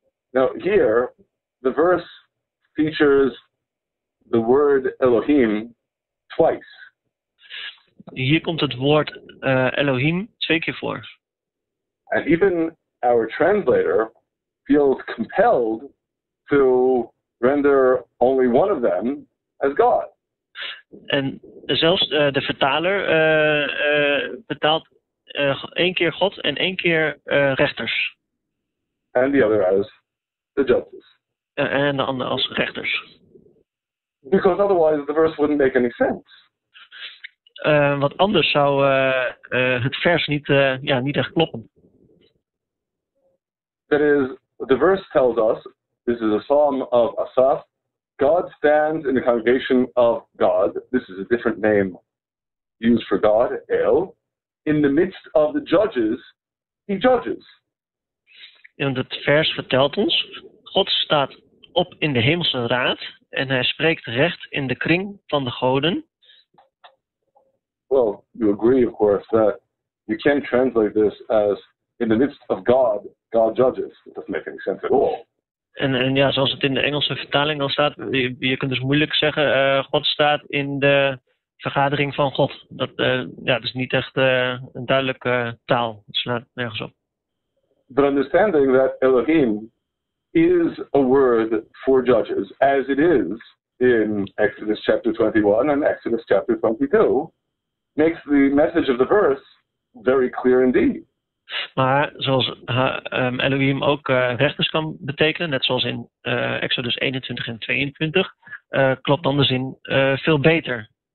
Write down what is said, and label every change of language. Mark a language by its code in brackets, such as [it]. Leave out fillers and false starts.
[en] Now, here, the verse features the word Elohim twice. [nl] Hier komt het woord Elohim twee keer voor. [en] And even our translator feels compelled to render only one of them as God. [nl] En zelfs de vertaler betaalt één keer God en één keer rechters. [en] And the other as the judges. [nl] En de ander als rechters. [en] Because otherwise the verse wouldn't make any sense. [nl] Want anders zou het vers niet, ja, niet echt kloppen. [en] That is, the verse tells us, this is a psalm of Asaph, God stands in the congregation of God, this is a different name used for God, El, in the midst of the judges, he judges. [nl] En het vers vertelt ons, God staat op in de hemelse raad en hij spreekt recht in de kring van de goden. [en] Well, you agree, of course, that you can't translate this as in the midst of God, God judges. It doesn't make any sense at all. [nl] En ja, zoals het in de Engelse vertaling al staat, je kunt dus moeilijk zeggen, God staat in de vergadering van God. Dat is niet echt een duidelijke taal. Het slaat nergens op. [en] But understanding that Elohim is a word for judges, as it is in Exodus chapter 21 and Exodus chapter 22, makes the message of the verse very clear indeed. [nl] Maar zoals Elohim ook rechters kan betekenen, net zoals in Exodus 21 en 22, klopt dan de zin veel beter.